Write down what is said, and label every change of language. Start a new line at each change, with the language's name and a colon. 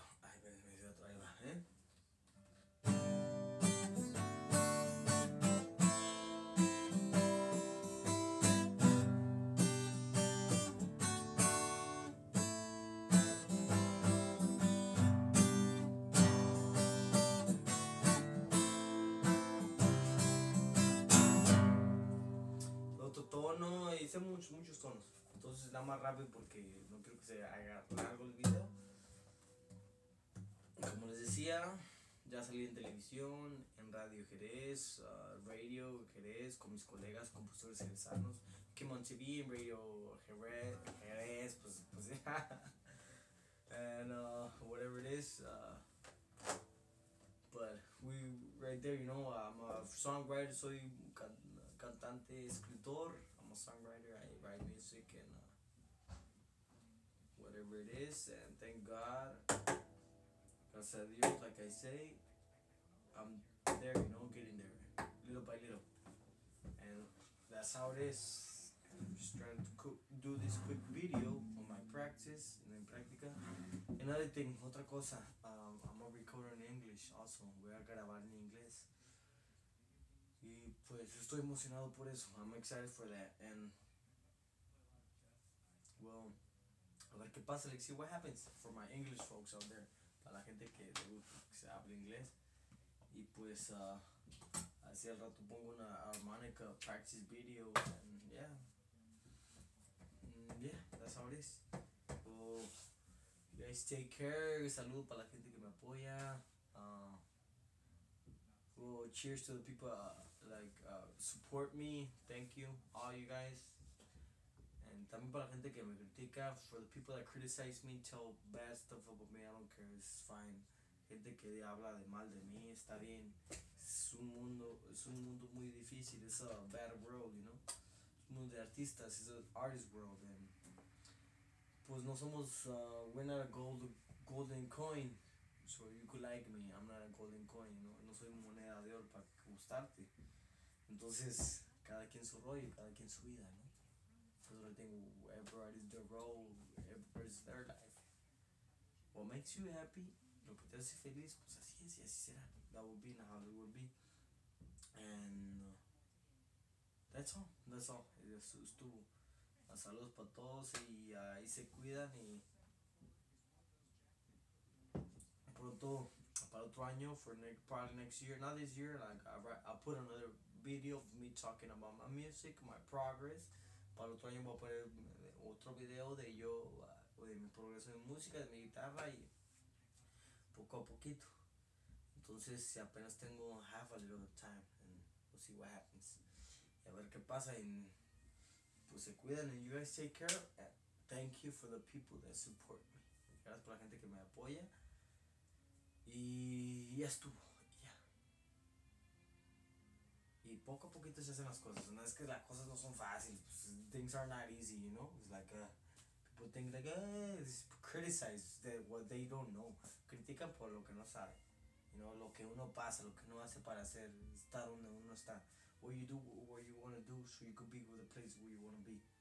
Spanish: Ay, ves el otro, ahí va, tono, hice muchos tonos, entonces nada más rápido porque no quiero que se haga largo el video. Como les decía, ya salí en televisión, en Radio Jerez, Radio Jerez, con mis colegas compositores jerezanos, que Montevi en Radio Jerez, pues ya, yeah.
English: And whatever it is, but we right there, you know, I'm a songwriter,
Spanish: soy cantante, escritor,
English: I'm a songwriter, I write music and whatever it is, and thank God,
Spanish: gracias a Dios,
English: like I say, I'm there, you know, getting there, little by little, and that's how it is, and I'm just trying to do this quick video on my practice, and in practica, another thing,
Spanish: otra cosa,
English: I'm gonna record in English, also,
Spanish: voy a grabar en inglés. Y pues estoy emocionado por eso.
English: I'm excited for that. And well,
Spanish: a ver qué pasa.
English: Let's see what happens for my English folks out there.
Spanish: Para la gente que le gusta que se hable inglés. Y pues, así al rato pongo una
English: harmonica practice video. And yeah. Yeah, that's how it is. Well, Guys, take care.
Spanish: Salud para la gente que me apoya.
English: Cheers to the people that support me. Thank you, all you guys.
Spanish: And también para la gente que me critica.
English: For the people that criticize me, tell bad stuff about me. I don't care. It's fine.
Spanish: Gente que habla de mal de mí, está bien. Es un mundo muy difícil.
English: It's a bad world, you know.
Spanish: Es un mundo de artistas.
English: It's an artist world. And
Spanish: pues no somos,
English: we're not a golden coin. So you could like me, I'm not a golden coin, you know.
Spanish: No soy moneda de oro para gustarte. Entonces, cada quien su rollo, cada quien su vida, ¿no?
English: That's what I think, everybody is their role, everybody is their life. What makes you happy,
Spanish: lo que te hace feliz, pues así es y así será.
English: That will be, how it will be. And that's all.
Spanish: Eso estuvo. Saludos para todos y ahí se cuidan y pronto para otro año,
English: probably next year, not this year, like I'll put another video of me talking about my music, my progress.
Spanish: Para otro año voy a poner otro video de yo, de mi progreso en música, de mi guitarra y poco a poquito. Entonces si apenas tengo
English: half a little time, and we'll see what happens.
Spanish: Y a ver qué pasa y pues se cuidan y
English: you guys take care. And thank you for the people that support me.
Spanish: Gracias por la gente que me apoya. Y estuvo, ya. Y poco a poquito se hacen las cosas. No es que las cosas no son fáciles.
English: Pues, things are not easy, you know? It's like, people think like, criticize the, what they don't know.
Spanish: Critican por lo que no sabe. You know, lo que uno pasa, lo que uno hace para hacer, estar donde uno está.
English: What you do, what you want to do, so you could be with the place where you want to be.